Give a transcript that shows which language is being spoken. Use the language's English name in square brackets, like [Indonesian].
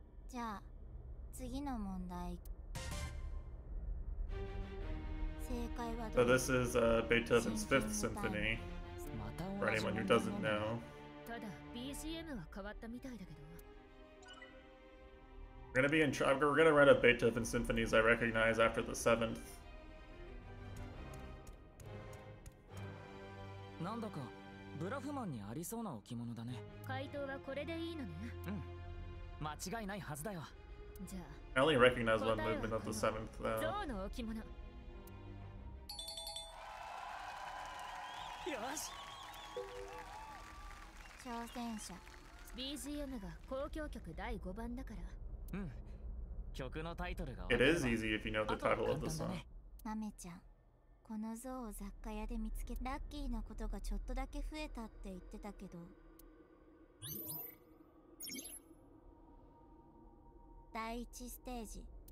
[Japanese] じゃあ、次の問題。正解はど [English] れ？ So this is Beethoven's Fifth Symphony. For anyone who doesn't know. [Japanese] ただ、BGM は変わったみたいだけど。 [English] We're gonna run up Beethoven symphonies I recognize after the seventh. [Japanese] なんだかブラフマンにありそうな置物だね。回答はこれでいいのね。うん、間違いないはずだよ。じゃ [English] あ、I only recognize one movement of the seventh, though. [Japanese] ゾウの置物。よし。挑戦者。 BGM が交響曲第5番だから。うん、曲のタイトルが。 [English] It is easy if you know the title of the song. [Japanese] マメちゃん、この像を雑貨屋で見つけ、ラッキーなことがちょっとだけ増えたって言ってたけど。第一ステージ。